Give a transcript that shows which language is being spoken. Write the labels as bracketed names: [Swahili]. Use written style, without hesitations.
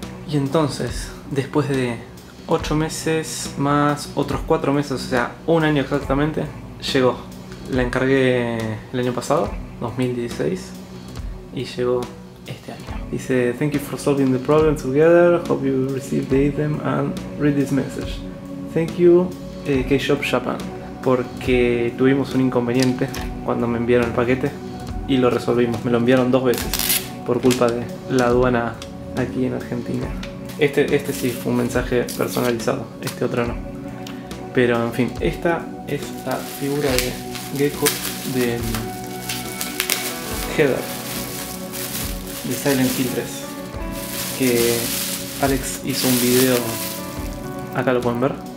[Spanish] Entonces, después de 8 meses más otros 4 meses, o sea, un año exactamente, llegó. La encargué el año pasado, 2016, y llegó este año. [English] Dice, thank you for solving the problem together, hope you received the item and read this message. Thank you, K-Shop Japan. [Spanish] Porque tuvimos un inconveniente cuando me enviaron el paquete y lo resolvimos. Me lo enviaron 2 veces por culpa de la aduana aquí en Argentina. Este sí fue un mensaje personalizado, este otro no. Pero en fin, esta es la figura de Gecko de Heather de Silent Hill 3, que Alex hizo un video, acá lo pueden ver.